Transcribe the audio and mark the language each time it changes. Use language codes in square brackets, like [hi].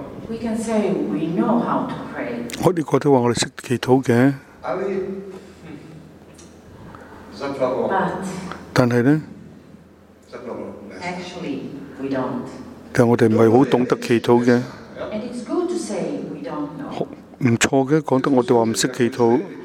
[en] We can say we know how to pray. [yue] 我哋覺得話我哋識祈禱嘅。 [en] But. [yue] 但係咧。 [en] Actually, we don't. [yue] 但係我哋唔係好懂得祈禱嘅。 [en] And it's good to say we don't know. [yue] 唔錯嘅，講得我哋話唔識祈禱。